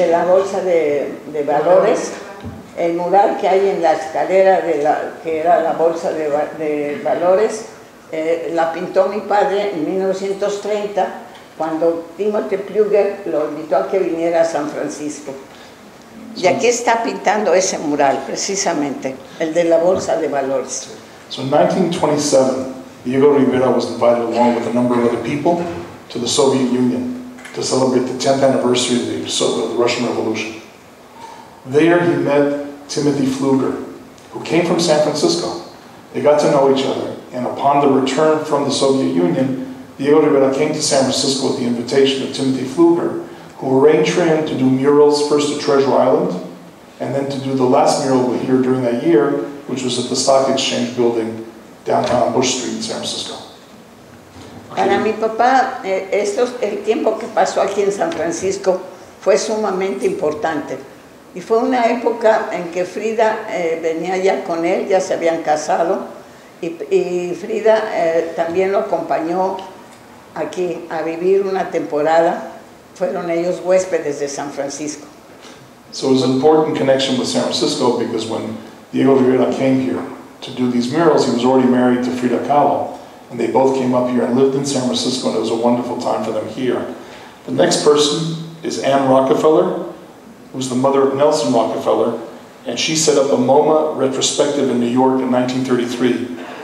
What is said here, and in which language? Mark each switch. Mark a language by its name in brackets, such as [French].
[Spanish] De la Bolsa de Valores, el mural que hay en la escalera que era la Bolsa de Valores, la pintó mi padre en 1930, cuando Timothy Pfluger lo invitó a que viniera a San Francisco. Y aquí está pintando ese mural, precisamente, el de la Bolsa de Valores. [English] So in 1927, Diego Rivera was invited along with a number of other people to the Soviet Union to celebrate the 10th anniversary of the Russian Revolution. There he met Timothy Pfluger, who came from San Francisco. They got to know each other, and upon the return from the Soviet Union, Diego Rivera came to San Francisco at the invitation of Timothy Pfluger, who arranged for him to do murals first at Treasure Island, and then to do the last mural here during that year, which was at the Stock Exchange building downtown Bush Street in San Francisco. [Spanish] Para mi papá, el tiempo que pasó aquí en San Francisco fue sumamente importante. Y fue una época en que Frida venía ya con él, ya se habían casado, y Frida también lo acompañó aquí a vivir una temporada. Fueron ellos huéspedes de San Francisco. [English] So it was an important connection with San Francisco because when Diego Rivera came here to do these murals, he was already married to Frida Kahlo. And they both came up here and lived in San Francisco, and it was a wonderful time for them here. The next person is Anne Rockefeller, who's the mother of Nelson Rockefeller, and she set up a MoMA retrospective in New York in 1933.